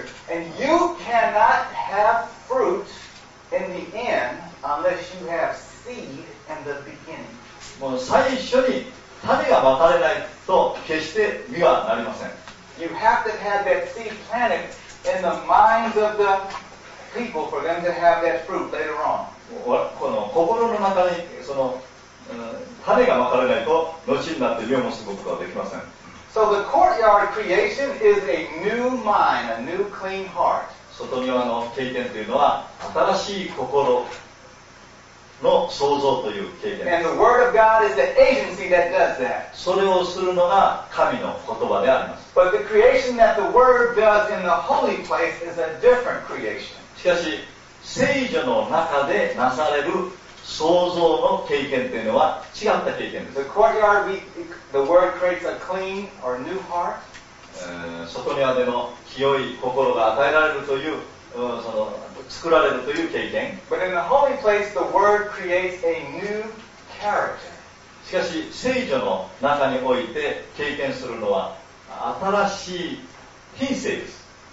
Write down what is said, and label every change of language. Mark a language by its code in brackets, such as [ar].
[en] And you cannot have fruit in the end unless you have seed in the beginning. [ja] もう最初に種がまかれないと決して実はなりません。 [en] You have to have that seed planted in the minds of the people for them to have that fruit later on. [ja] この心の中にその種がまかれないと後になって実を持つことができません。 [en] So the courtyard creation is a new mind, a new clean heart. [ja] 外庭の経験というのは新しい心。の創造という経験。 [en] And the word of God is the agency that does that. [ja] それをするのが神の言葉であります。 [en] But the creation that the word does in the holy place is a different creation. [ja] しかし聖所の中でなされる創造の経験というのは違った経験です。 [en] The courtyard, the word creates a clean or new heart. [ja] 外庭での清い心が与えられるという作られるという経験。 [en] But in the holy place, the word creates a new character. [ja] しかし聖所の中において経験するのは新しい品性です。